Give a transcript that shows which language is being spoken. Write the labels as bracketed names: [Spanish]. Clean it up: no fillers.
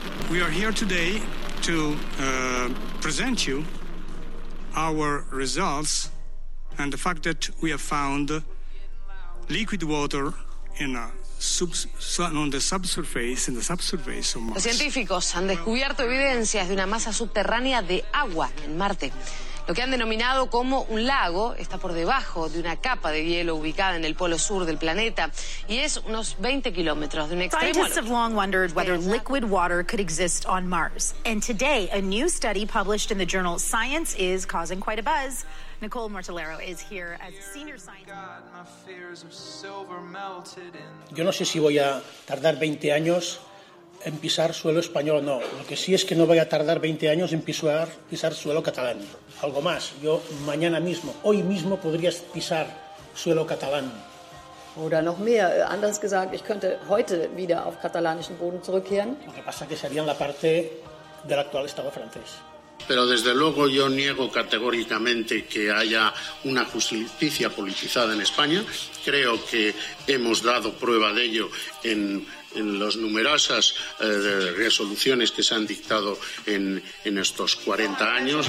[English] We are here today to present you our results. And the fact that we have found liquid water in a subsurface of Mars. [Spanish] Los científicos han descubierto evidencias de una masa subterránea de agua en Marte. Lo que han denominado como un lago está por debajo de una capa de hielo ubicada en el polo sur del planeta y es unos 20 kilómetros de un extremo. [English] Scientists have long wondered whether liquid water could exist on Mars. And today, a new study published in the journal Science is causing quite a buzz. Nicole Mortellaro is here as senior scientist. [Spanish] Yo no sé si voy a tardar 20 años en pisar suelo español o no. Lo que sí es que no voy a tardar 20 años en pisar suelo catalán. Algo más, yo mañana mismo, hoy mismo podrías pisar suelo catalán. [German] Oder noch mehr, anders gesagt, ich könnte heute wieder auf katalanischen Boden zurückkehren. [Spanish] Lo que pasa es que sería en la parte del actual estado francés. Pero desde luego yo niego categóricamente que haya una justicia politizada en España. Creo que hemos dado prueba de ello en las numerosas resoluciones que se han dictado en estos 40 años.